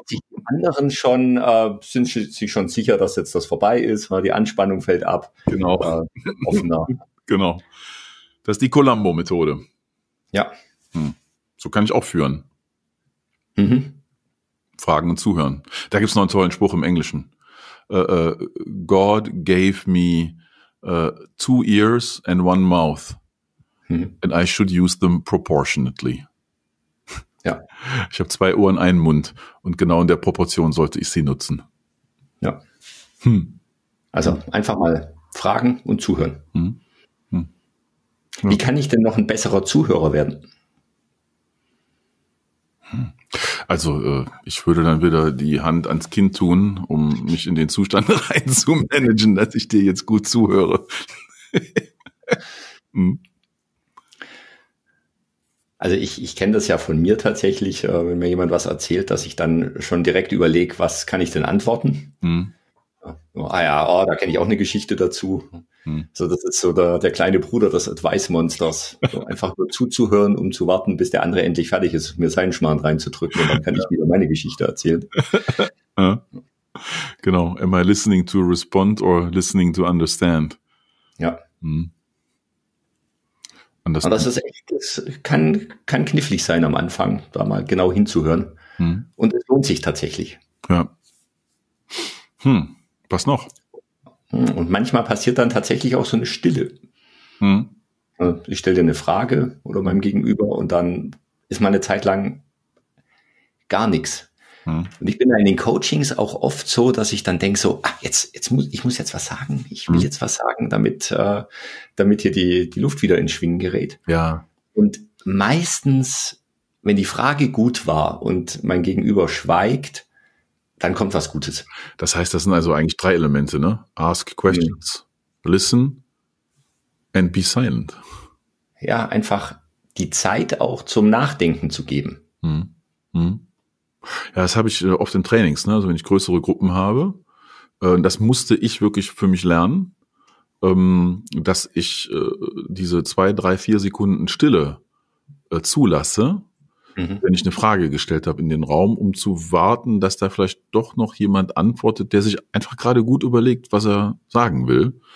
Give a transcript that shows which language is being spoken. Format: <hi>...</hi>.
<de>Die anderen schon, sind sich schon sicher, dass jetzt das vorbei ist, weil die Anspannung fällt ab. Genau. Offener. Genau. Das ist die Colombo-Methode. Ja. Hm. So kann ich auch führen. Fragen und zuhören. Da gibt es noch einen tollen Spruch im Englischen.</de> <en>God gave me 2 ears and 1 mouth. Mhm. And I should use them proportionately.</en> <de>Ja. Ich habe 2 Ohren, 1 Mund. Und genau in der Proportion sollte ich sie nutzen. Ja. Also einfach mal fragen und zuhören. Ja. Wie kann ich denn noch ein besserer Zuhörer werden? Also ich würde dann wieder die Hand ans Kind tun, um mich in den Zustand reinzumanagen, dass ich dir jetzt gut zuhöre. Also ich kenne das ja von mir tatsächlich, wenn mir jemand was erzählt, dass ich dann schon direkt überlege, was kann ich denn antworten? Da kenne ich auch eine Geschichte dazu. So, das ist so der kleine Bruder des Advice-Monsters. So einfach nur zuzuhören, um zu warten, bis der andere endlich fertig ist, mir seinen Schmarrn reinzudrücken und dann kann ich wieder meine Geschichte erzählen. Genau.</de> <en>Am I listening to respond or listening to understand?</en> <de>Ja. Und das ist echt, das kann knifflig sein am Anfang, da mal genau hinzuhören. Und es lohnt sich tatsächlich. Ja. Was noch? Und manchmal passiert dann tatsächlich auch so eine Stille. Ich stelle dir eine Frage oder meinem Gegenüber und dann ist meine Zeit lang gar nichts. Und ich bin ja in den Coachings auch oft so, dass ich dann denke so, ich muss jetzt was sagen. Ich will jetzt was sagen, damit hier die Luft wieder ins Schwingen gerät. Ja. Und meistens, wenn die Frage gut war und mein Gegenüber schweigt, dann kommt was Gutes. Das heißt, das sind also eigentlich 3 Elemente, ne?</de> <en>Ask questions, listen and be silent.</en> <de>Ja, einfach die Zeit auch zum Nachdenken zu geben. Ja, das habe ich oft in Trainings, ne? Also wenn ich größere Gruppen habe, das musste ich wirklich für mich lernen, dass ich diese 2, 3, 4 Sekunden Stille zulasse, wenn ich eine Frage gestellt habe in den Raum, um zu warten, dass da vielleicht doch noch jemand antwortet, der sich einfach gerade gut überlegt, was er sagen will.</de>